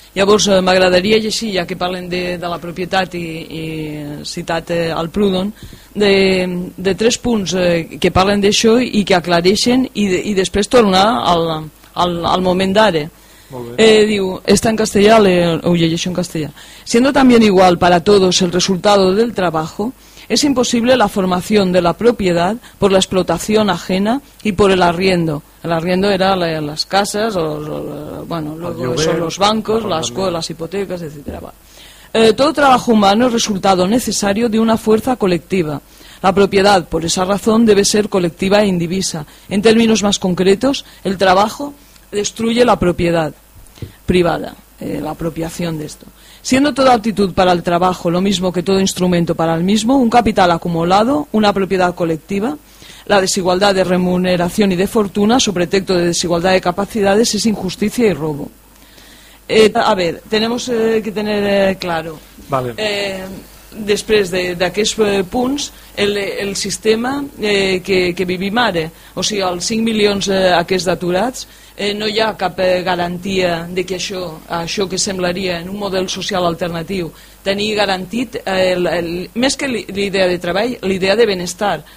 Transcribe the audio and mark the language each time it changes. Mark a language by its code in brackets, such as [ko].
[ca] Llavors m'agradaria llegir, ja que parlen de la propietat i citat el Proudhon, de tres punts que parlen d'això i que aclareixen i després tornar al moment d'ara. [es] Digo, está en castellano, oye, yo en castellano. Siendo también igual para todos el resultado del trabajo, es imposible la formación de la propiedad por la explotación ajena y por el arriendo. El arriendo era las casas, los bancos, las escuelas, las hipotecas, etc. Todo trabajo humano es resultado necesario de una fuerza colectiva. La propiedad, por esa razón, debe ser colectiva e indivisa. En términos más concretos, el trabajo destruye la propiedad privada, la apropiación de esto. Siendo toda actitud para el trabajo lo mismo que todo instrumento para el mismo, un capital acumulado, una propiedad colectiva, la desigualdad de remuneración y de fortuna, sobre texto de desigualdad de capacidades, es injusticia y robo. A ver, tenemos que tener claro. Vale. [ca] Després d'aquests punts, el sistema que vivim ara, o sigui, els 5 milions aquests d'aturats, no hi ha cap garantia de que això que semblaria en un model social alternatiu, tenir garantit, més que l'idea de treball, l'idea de benestar.